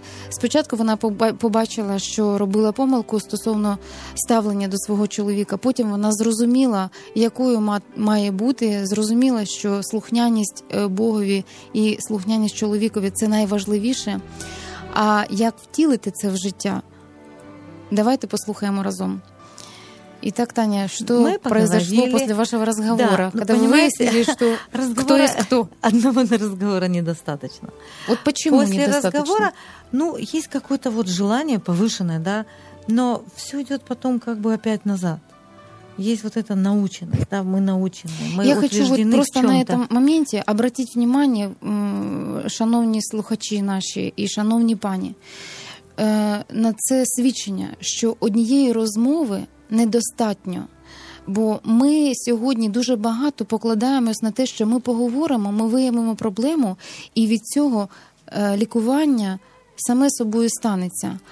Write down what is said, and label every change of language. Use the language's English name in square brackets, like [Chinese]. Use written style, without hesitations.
[Ukrainian] Спочатку вона побачила, що робила помилку стосовно ставлення до свого чоловіка. Потім вона зрозуміла, якою має бути, зрозуміла, що слухняність Богові і слухняність чоловікові – це найважливіше. А як втілити це в життя? Давайте послухаємо разом. [Russian] И так, Таня, что произошло после вашего разговора? Да, когда, ну, вы выяснили, что кто есть кто? Одного разговора недостаточно. Вот почему после недостаточно? После разговора, ну, есть какое-то вот желание повышенное, да, но все идет потом как бы опять назад. Есть вот эта наученность, да, мы научены, мы утверждены в чём-то. Я хочу вот просто на этом моменте обратить внимание, [Ukrainian] шановні слухачі наші і шановні пані, на це свідчення, що однієї розмови недостатньо. Бо ми сьогодні дуже багато покладаємось на те, що ми поговоримо, ми виявимо проблему, і від цього лікування саме собою станеться.